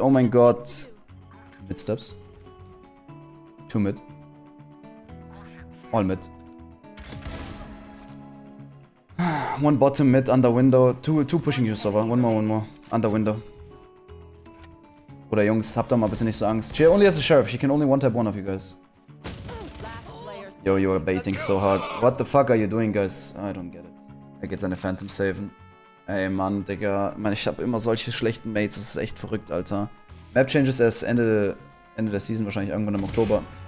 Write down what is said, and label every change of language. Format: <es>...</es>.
<de>Oh mein Gott.</de> <en>Mid steps. Two mid. All mid. One bottom mid, under window. Two pushing you, Sova. One more. Under window.</en> <de>Oder Jungs, habt doch mal bitte nicht so Angst.</de> <en>She only has a sheriff. She can only one-tap one of you guys. Yo, you're baiting so hard. What the fuck are you doing, guys? I don't get it.</en> <de>Er geht seine Phantom saven. Ey, Mann, Digga. Man, ich hab immer solche schlechten Mates. Das ist echt verrückt, Alter. Map changes erst Ende der Season, wahrscheinlich irgendwann im Oktober.</de>